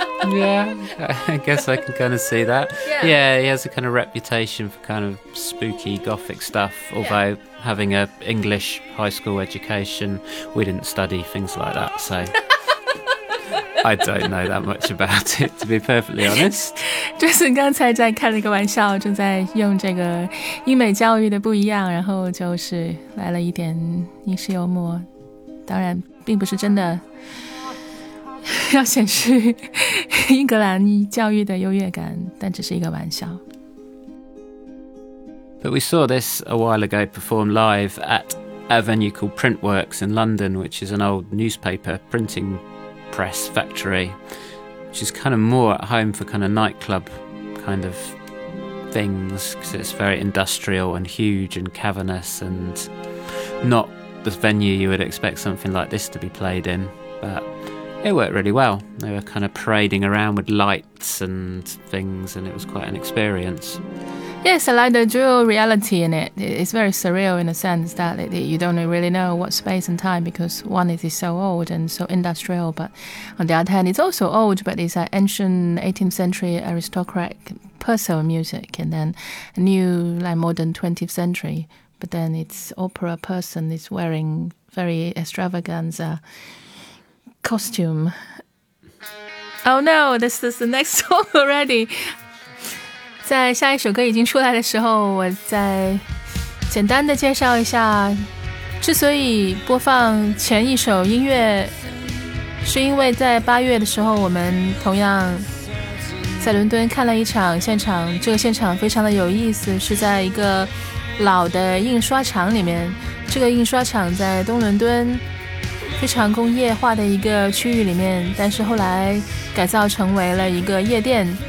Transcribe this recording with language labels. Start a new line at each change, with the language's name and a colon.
English: Yeah, I guess I can kind of see that. Yeah, he has a kind of reputation for kind of spooky gothic stuff, although having an English high school education, we didn't study things like that, so I don't know that much about it, to be perfectly honest.
Chinese: Justin 刚才在开了一个玩笑，正在用这个英美教育的不一样，然后就是来了一点英式幽默，当然并不是真的要显示英格兰教育的优越感，但只是一个玩笑。
English: But we saw this a while ago performed live at a venue called Printworks in London, which is an old newspaper printing press factory, which is kind of more at home for kind of nightclub kind of things, because it's very industrial and huge and cavernous and not the venue you would expect something like this to be played in, but... It worked really well. They were kind of parading around with lights and things, and it was quite an experience. Yes, I like the dual reality in it. It's very surreal in a sense that you don't really know what space and time, because one is so old and so industrial, but on the other hand, it's also old, but it's like ancient 18th century aristocratic personal music, and then a new like modern 20th century, but then it's opera person is wearing very extravaganza. Costume. Oh no, this is the next song already.
Chinese: 在下一首歌已经出来的时候，我再简单的介绍一下，之所以播放前一首音乐，是因为在八月的时候，我们同样在伦敦看了一场现场，这个现场非常的有意思，是在一个老的印刷厂里面，这个印刷厂在东伦敦非常工业化的一个区域里面，但是后来改造成为了一个夜店。